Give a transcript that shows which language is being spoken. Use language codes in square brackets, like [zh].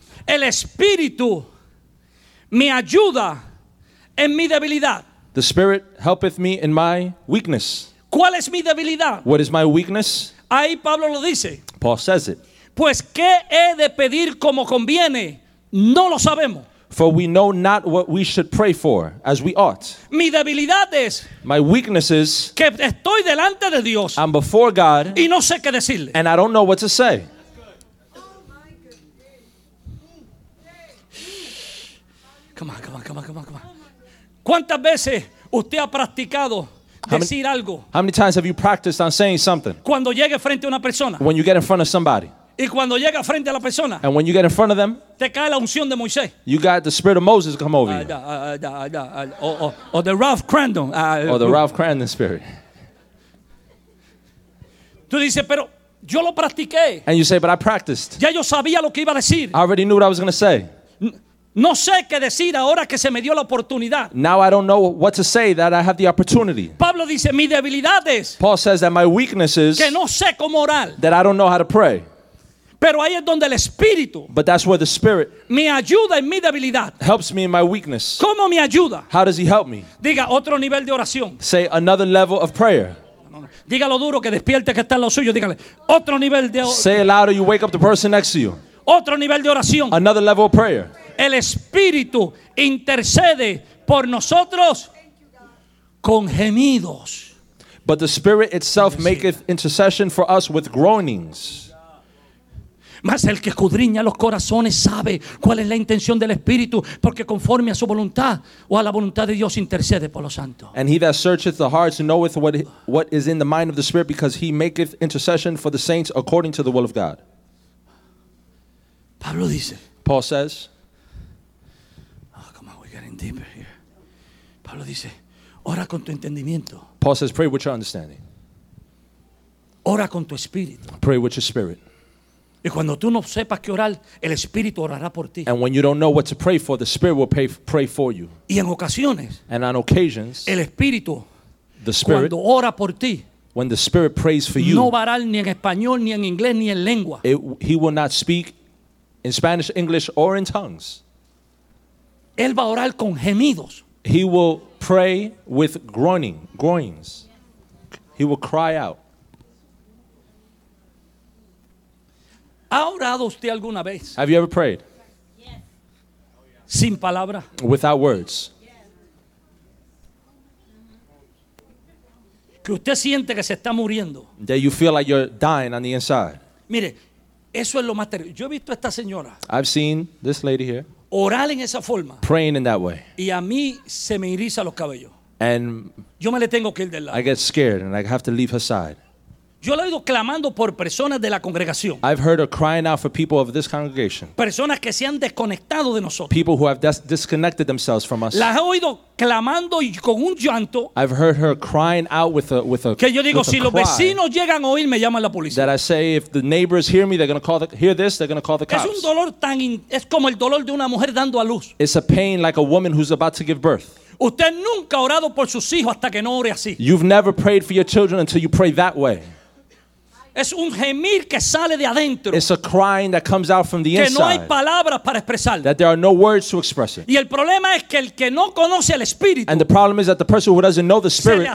[es] El espíritu me ayuda en mi debilidad. [en] The spirit helpeth me in my weakness. [es] ¿Cuál es mi debilidad? [en] What is my weakness? [es] Ahí Pablo lo dice. [en] Paul says it. [es] Pues qué he de pedir como conviene, no lo sabemos. [en] For we know not what we should pray for as we ought. [es] Mi debilidad es, [en] my weakness is, [es] que estoy delante de Dios, [en] I'm before God, [es] y no sé qué decirle, [en] and I don't know what to say. Come on. [es] ¿Cuántas veces usted ha practicado decir algo? [en] How many times have you practiced on saying something? [es] Cuando llegue frente a una persona, [en] when you get in front of somebody. [es] Y cuando llega frente a la persona, [en] and when you get in front of them, [es] te cae la unción de Moisés. [en] You got the spirit of Moses come over you. Or the Ralph Crandon. Or the Ralph Crandon spirit. [es] Tú dices, pero yo lo practiqué. [en] And you say, but I practiced. [es] Ya yo sabía lo que iba a decir. [en] I already knew what I was going to say. [es] No sé qué decir ahora que se me dio la oportunidad. [en] Now I don't know what to say that I have the opportunity. [es] Pablo dice, mi debilidad es, [en] Paul says that my weakness is, [es] que no sé cómo orar. [en] That I don't know how to pray. [es] Pero ahí es donde el Espíritu, [en] but that's where the Spirit, [es] me ayuda en mi debilidad, [en] helps me in my weakness. [es] ¿Cómo me ayuda? [en] How does he help me? [es] Diga otro nivel de oración. [en] Say another level of prayer. [es] Dígalo duro, que despierte que está en lo suyo. Dígale otro nivel de oración. [en] Say it louder. You wake up the person next to you. [es] Otro nivel de oración. [en] Another level of prayer. [es] El Espíritu intercede por nosotros con gemidos. [en] But the Spirit itself maketh intercession for us with groanings. [es] Mas el que escudriña los corazones sabe cuál es la intención del Espíritu, porque conforme a su voluntad o a la voluntad de Dios intercede por los santos. [en] And he that searcheth the hearts knoweth what is in the mind of the Spirit, because he maketh intercession for the saints according to the will of God. [es] Pablo dice. [en] Paul says. Oh, come on, we're getting deeper here. [es] Pablo dice, ora con tu entendimiento. [en] Paul says, pray with your understanding. [es] Ora con tu espíritu. [en] Pray with your spirit. [es] Y cuando tú no sepas qué orar, el Espíritu orará por ti. [en] And when you don't know what to pray for, the Spirit will pray for you. [es] Y en ocasiones, [en] and on occasions, [es] el Espíritu, [en] the Spirit, [es] cuando ora por ti, [en] when the Spirit prays for you, [es] no va a orar ni en español, ni en inglés, ni en lengua. [en] He will not speak in Spanish, English, or in tongues. [es] Él va a orar con gemidos. [en] He will pray with groanings. He will cry out. [es] ¿Ha orado usted alguna vez? [en] Have you ever prayed? Yes. [es] Sin palabra. [en] Without words. [es] Que usted siente que se está muriendo. [en] That you feel like you're dying on the inside. [es] Mire, eso es lo más terrible. Yo he visto a esta señora. [en] I've seen this lady here. [es] Orar en esa forma. [en] Praying in that way. [es] Y a mí se me eriza los cabellos. [en] And [es] yo me le tengo que ir del lado. [en] I get scared and I have to leave her side. [es] Yo la he oído clamando por personas de la congregación. [en] I've heard her crying out for people of this congregation. [es] Personas que se han desconectado de nosotros. [en] People who have disconnected themselves from us. [es] La he oído clamando y con un llanto. [en] I've heard her crying out with a [es] que yo digo, si los vecinos llegan a oír, me llaman la policía. [en] That I say, if the neighbors hear me, they're going to call they're going to call the cops. [es] Es un dolor tan es como el dolor de una mujer dando a luz. [en] It's a pain like a woman who's about to give birth. [es] Usted nunca ha orado por sus hijos hasta que no ore así. [en] You've never prayed for your children until you pray that way. [es] Es un gemir que sale de adentro. [en] It's a crying that comes out from the inside. [es] Que no hay palabras para expresarlo. [en] That there are no words to express it. [es] Y el problema es que el que no conoce al Espíritu. [en] And the problem is that the person who doesn't know the Spirit.